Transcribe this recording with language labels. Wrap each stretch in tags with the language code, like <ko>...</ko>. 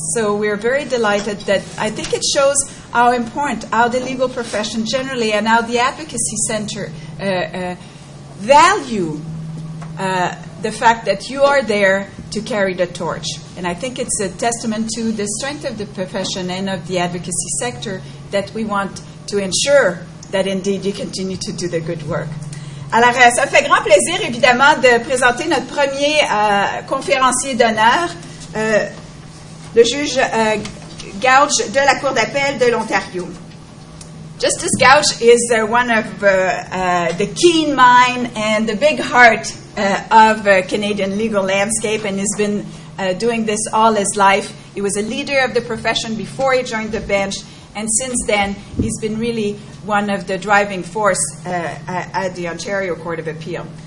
<en>So we're very delighted that I think it shows how important, how the legal profession generally and how the advocacy center value the fact that you are there to carry the torch. And I think it's a testament to the strength of the profession and of the advocacy sector that we want to ensure that indeed you continue to do the good work.</en> <fr>Alors, ça fait grand plaisir, évidemment, de présenter notre premier conférencier d'honneur, le juge Goudge de la Cour d'appel de l'Ontario.</fr> <en>Justice Goudge is one of the keen mind and the big heart of Canadian legal landscape, and he's been doing this all his life. He was a leader of the profession before he joined the bench, and since then, he's been really one of the driving force at the Ontario Court of Appeal.</en>